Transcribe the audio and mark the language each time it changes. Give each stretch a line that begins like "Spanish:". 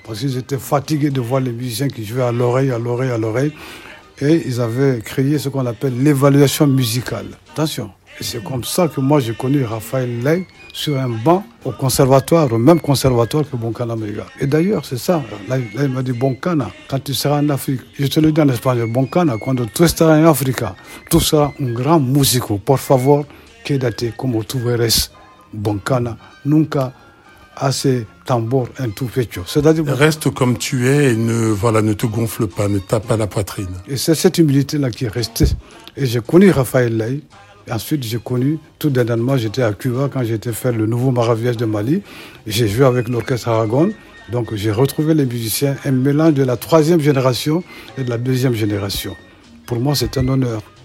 French: Parce qu'ils étaient fatigués de voir les musiciens qui jouaient à l'oreille. Et ils avaient créé ce qu'on appelle l'évaluation musicale. Attention. Et c'est comme ça que moi, j'ai connu Raphaël Laï sur un banc au conservatoire, au même conservatoire que Boncana Mega. Et d'ailleurs, c'est ça. Là, il m'a dit Boncana, quand tu seras en Afrique, je te le dis en espagnol, Boncana, quand tu seras en Afrique, tu seras un grand musico.
Spanish: Por favor, quédate como tu eres Boncana. Nunca hace tambor en tu pecho.
French: C'est-à-dire, reste comme tu es et ne te gonfle pas, ne tape pas la poitrine. Et c'est cette humilité-là qui est restée. Et j'ai connu Raphaël Laï. Ensuite, j'ai connu, tout dernièrement, j'étais à Cuba quand j'étais faire le nouveau Maravillage de Mali. J'ai joué avec l'orchestre Aragon. Donc, j'ai retrouvé les musiciens, un mélange de la troisième génération et de la deuxième génération. Pour moi, c'est un honneur.